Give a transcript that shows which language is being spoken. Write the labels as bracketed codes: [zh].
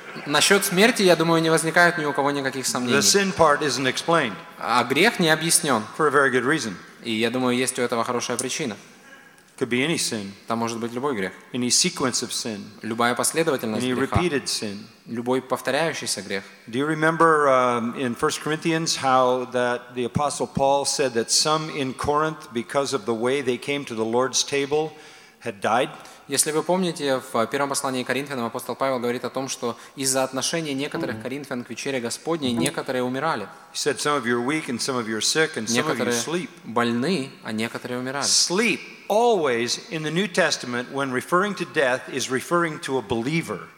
[ru] Насчет смерти, я думаю, не возникает ни у кого никаких сомнений. [en] The sin part isn't explained. [ru] А грех не объяснен. [en] For a very good reason. [ru] И я думаю, есть у этого хорошая причина. [en] Could be any sin. [ru] Там может быть любой грех. [en] Any sequence of sin. [ru] Любая последовательность [en] any [ru] греха. [en] Repeated sin. [ru] Любой повторяющийся грех. [en] Do you remember in 1 Corinthians how that the apostle Paul said that some in Corinth, because of the way they came to the Lord's table, had died? [ru] Если вы помните, в первом послании к Коринфянам апостол Павел говорит о том, что из-за отношения некоторых коринфян к вечере Господней некоторые умирали. Некоторые больны, а некоторые умирали. [en] Sleep always in the New Testament when referring to death is referring to a believer.